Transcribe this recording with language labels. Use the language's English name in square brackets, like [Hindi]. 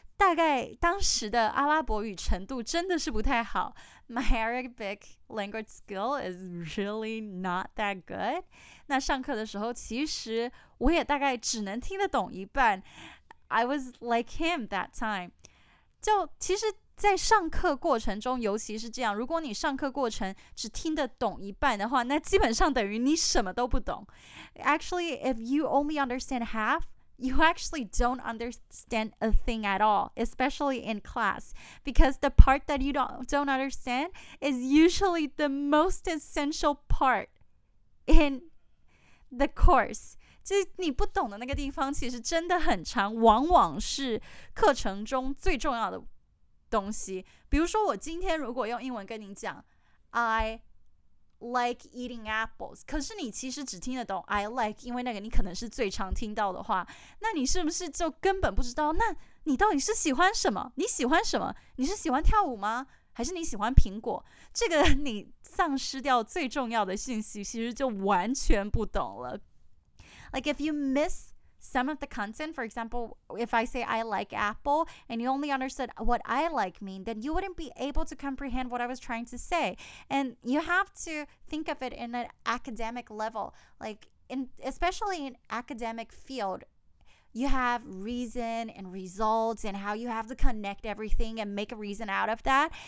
[Chinese] 大概当时的阿拉伯语程度真的是不太好。 [English] My Arabic language skill is really not that good. [Chinese] 那上课的时候其实我也大概只能听得懂一半。 [English] I was like him that time. [Chinese] 就其实在上课过程中尤其是这样，如果你上课过程只听得懂一半的话，那基本上等于你什么都不懂。 [English] Actually, if you only understand half,You actually don't understand a thing at all, especially in class, because the part that you don't understand is usually the most essential part in the course. [Chinese] 就是你不懂的那个地方其实真的很长，往往是课程中最重要的东西。比如说我今天如果用英文跟你讲 [English] I like eating apples, [Chinese] 可是你其实只听得懂 [English] I like, [Chinese] 因为那个你可能是最常听到的话，那你是不是就根本不知道那你到底是喜欢什么，你喜欢什么，你是喜欢跳舞吗，还是你喜欢苹果，这个你丧失掉最重要的信息其实就完全不懂了。 [English] Like if you miss some of the content, for example, if I say I like apple and you only understood what I like mean, then you wouldn't be able to comprehend what I was trying to say. And you have to think of it in an academic level. Like, in, especially in academic field, you have reason and results and how you have to connect everything and make a reason out of that.